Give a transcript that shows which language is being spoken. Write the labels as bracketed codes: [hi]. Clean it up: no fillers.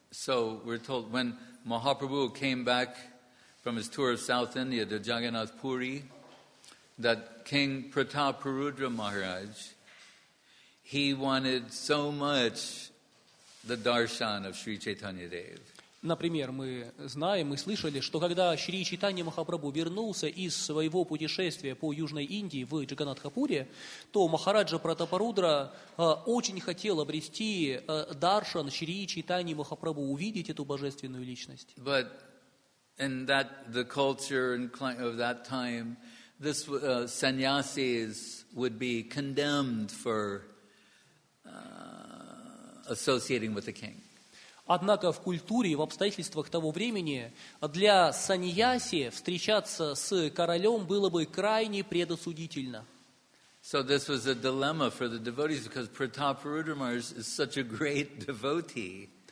[en] So we're told when Mahaprabhu came back from his tour of South India to Jagannath Puri, that King Prataparudra Maharaj, he wanted so much the darshan of Sri Chaitanya Dev. [ru] Например, мы знаем, мы слышали, что когда Шри Чайтанья Махапрабху вернулся из своего путешествия по Южной Индии в Джаганатхапуре, то Махараджа Пратапарудра очень хотел обрести даршан Шри Чайтанья Махапрабху, увидеть эту божественную личность. [en] But in that, the culture of that time, this sannyasis would be condemned for associating with the king. [ru] Однако в культуре, в обстоятельствах того времени, для саньяси встречаться с королем было бы крайне предосудительно. [en] So this was a dilemma for the devotees, because Prataparudra Maharaj is such a great devotee.